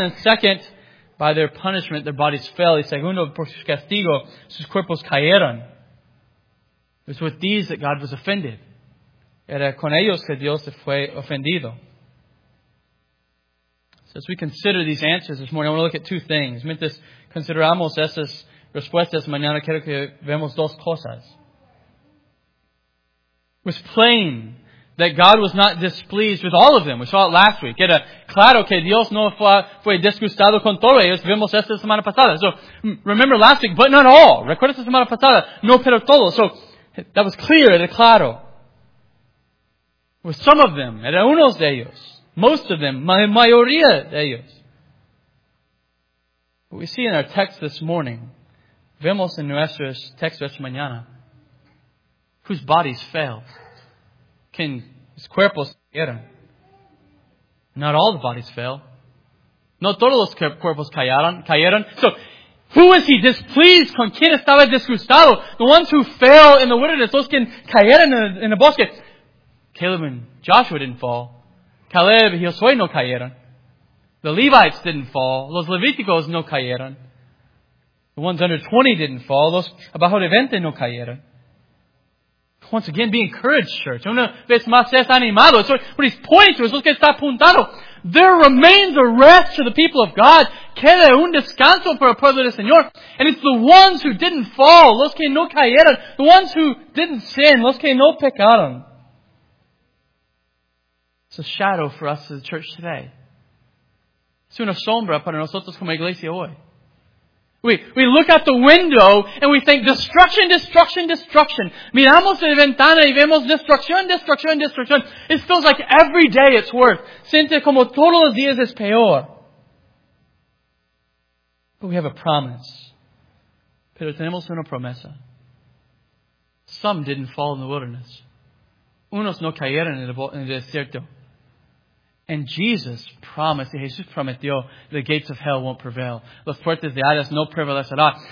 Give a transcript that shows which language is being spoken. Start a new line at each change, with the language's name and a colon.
English: And second, by their punishment, their bodies fell.
Spanish: Y segundo, por su castigo, sus cuerpos cayeron.
English: It was with these that God was offended.
Spanish: Era con ellos que Dios se fue ofendido.
English: So as we consider these answers this morning, I want to look at two things.
Spanish: Mientras consideramos esas respuestas mañana, quiero que veamos dos cosas.
English: It was plain that God was not displeased with all of them. We saw it last week.
Spanish: Era claro que Dios no fue disgustado con todos ellos. Vimos esta semana pasada.
English: So, remember last week, but not all.
Spanish: Recuerda esta semana pasada. No, pero todos.
English: So, that was clear.
Spanish: Era claro.
English: With some of them.
Spanish: Era unos de ellos.
English: Most of them,
Spanish: la mayoría de ellos.
English: But we see in our text this morning,
Spanish: vemos en nuestro texto esta mañana,
English: whose bodies fell, whose
Spanish: cuerpos eran.
English: Not all the bodies fell.
Spanish: No todos los cuerpos cayeron.
English: So, who was he displeased?
Spanish: ¿Con quién estaba disgustado?
English: The ones who fell in the wilderness,
Spanish: los que cayeron en el bosque.
English: Caleb and Joshua didn't fall.
Spanish: Caleb y Josué no cayeron.
English: The Levites didn't fall.
Spanish: Los Levíticos no cayeron.
English: The ones under 20 didn't fall.
Spanish: Los abajo de 20 no cayeron.
English: Once again, be encouraged, church.
Spanish: Una vez más, seas animado.
English: So, what he's pointing to is, look at
Spanish: está apuntado.
English: There remains a rest for the people of God.
Spanish: Queda un descanso para el pueblo del Señor.
English: And it's the ones who didn't fall,
Spanish: los que no cayeron.
English: The ones who didn't sin,
Spanish: los que no pecaron.
English: It's a shadow for us as a church today.
Spanish: Es una sombra para nosotros como iglesia hoy.
English: We look out the window and we think destruction, destruction, destruction.
Spanish: Miramos la ventana y vemos destrucción, destrucción, destrucción.
English: It feels like every day it's worse.
Spanish: Siente como todos los días es peor.
English: But we have a promise.
Spanish: Pero tenemos una promesa.
English: Some didn't fall in the wilderness.
Spanish: Unos no cayeron en el desierto.
English: And Jesus promised,
Spanish: Jesús prometió,
English: the gates of hell won't prevail.
Spanish: Los puertas de Hades no prevalecerán.